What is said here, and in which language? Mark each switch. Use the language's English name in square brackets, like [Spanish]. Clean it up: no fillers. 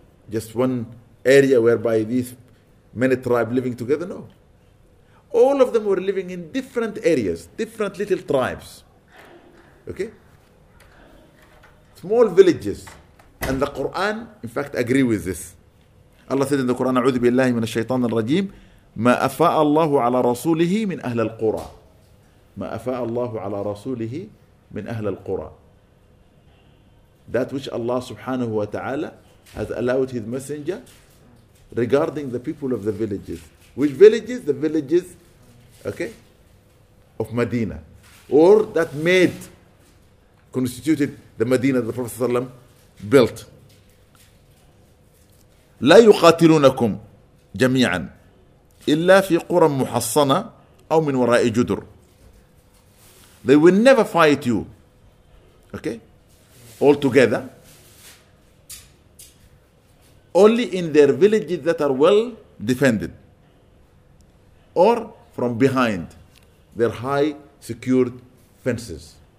[English] Just one area whereby these many tribes living together? No. All of them were living in different areas, different little tribes. Okay? Small villages. And the Quran, in fact, agree with this. Allah said in the Quran, [Arabic] أعوذ بالله من الشيطان الرجيم ما أفاء الله على رسوله من أهل القرى. ما أفاء الله على رسوله من أهل القرى. [English] That which Allah subhanahu wa ta'ala has allowed his messenger regarding the people of the villages. Which villages? The villages, okay, of Medina. Or that made, constituted the Medina the Prophet sallam built. [Arabic] لا يقاتلونكم جميعا إلا في قرى محصنة أو من وراء جدر. [English] They will never fight you, okay, all together, only in their villages that are well defended or from behind their high secured fences.